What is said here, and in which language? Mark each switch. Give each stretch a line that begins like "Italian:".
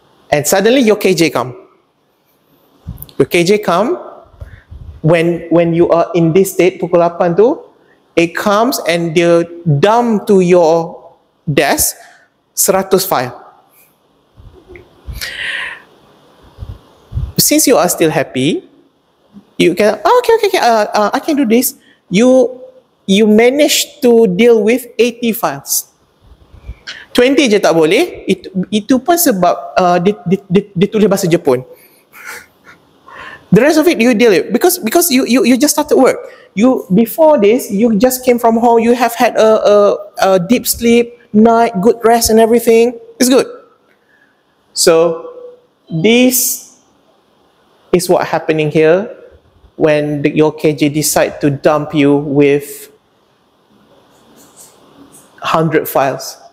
English: And suddenly your KJ come. Your KJ come, when you are in this state,
Malay: pukul 8 tu,
English: it comes and they dump to your desk 100 file. Since you are still happy, you can, I can do this. You manage to deal with 80 files.
Malay: 20 je tak boleh, itu pun sebab dia tulis bahasa Jepun.
English: The rest of it you deal with. Because you just started work. You, before this, you just came from home, you have had a deep sleep, night, good rest and everything. It's good. So, this is what happening here when your KJ decide to dump you with 100 files.